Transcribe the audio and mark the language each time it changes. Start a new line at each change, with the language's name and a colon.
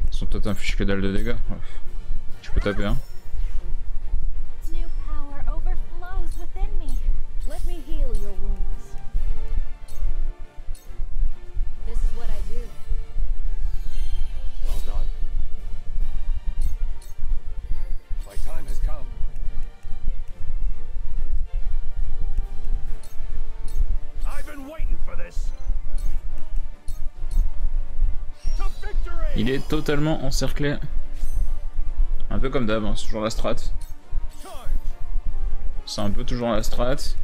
French: Toi t'infliges que dalle de dégâts. Tu peux taper, hein.
English: New power overflows within me. Let me heal your wounds. This is what I do. Well done. My time has come. I've been waiting for this.
French: Il est totalement encerclé. Un peu comme d'hab, hein. C'est toujours la strat. C'est un peu toujours la strat.